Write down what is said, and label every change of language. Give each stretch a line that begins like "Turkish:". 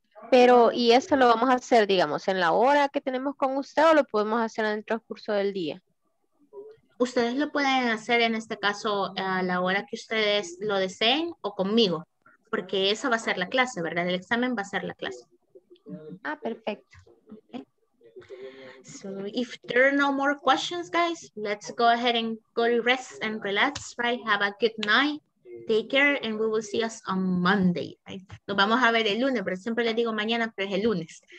Spanish: Pero, ¿y esto lo vamos a hacer, digamos, en la hora que tenemos con usted o lo podemos hacer en el transcurso del día? Ustedes lo pueden hacer en este caso a la hora que ustedes lo deseen o conmigo, porque esa va a ser la clase, ¿verdad? El examen va a ser la clase. Ah, perfecto.
English: Okay. So, if there are no more questions, guys, let's go ahead and go to rest and relax, right? Have a good night. Take care and we will see us on Monday. Right?
Spanish: Nos vamos a ver el lunes, pero siempre les digo mañana, pero es el lunes.